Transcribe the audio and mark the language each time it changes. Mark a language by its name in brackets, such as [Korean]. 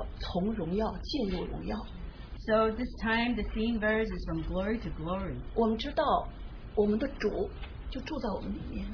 [Chinese] 因为我们这次的聚会的名字，这个就叫从荣耀进入荣耀。 [English] So this time the theme verse is from glory to glory. [Chinese] 我们知道我们的主就住在我们里面。